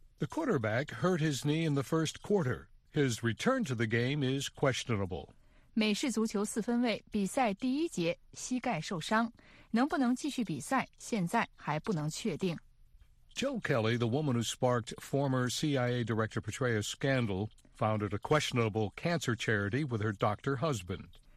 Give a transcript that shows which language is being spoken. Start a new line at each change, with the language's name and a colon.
English: The quarterback hurt his knee in the first quarter. His return to the game is questionable.
Chinese: 美式足球四分卫比赛第一节, 膝盖受伤, 能不能继续比赛, 现在还不能确定。
English: Jill Kelly, the woman who sparked former CIA Director Petraeus' scandal, founded a questionable cancer charity with her doctor husband.